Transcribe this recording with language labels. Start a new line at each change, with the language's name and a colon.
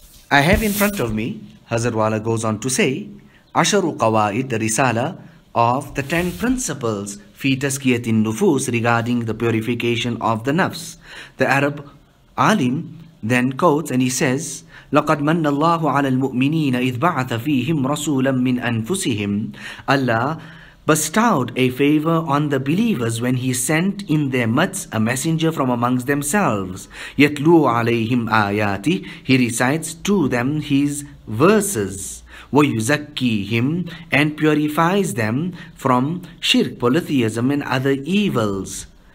English: I have in front of me, Hazrat Wala goes on to say, Asharu Qawaid, the Risala of the 10 principles, fi taskiyatin nufus, regarding the purification of the nafs. The Arab Alim then quotes and he says,
Arabic: لَقَدْ مَنَّ اللَّهُ عَلَى الْمُؤْمِنِينَ إِذْ بَعَثَ فِيهِمْ رَسُولًا مِّنْ أَنفُسِهِمْ.
English: Allah bestowed a favor on the believers when he sent in their midst a messenger from amongst themselves.
Arabic: يَتْلُوا عَلَيْهِمْ آيَاتِ.
English: He recites to them his verses.
Arabic: وَيُزَكِّيهِمْ.
English: And purifies them from shirk, polytheism and other evils.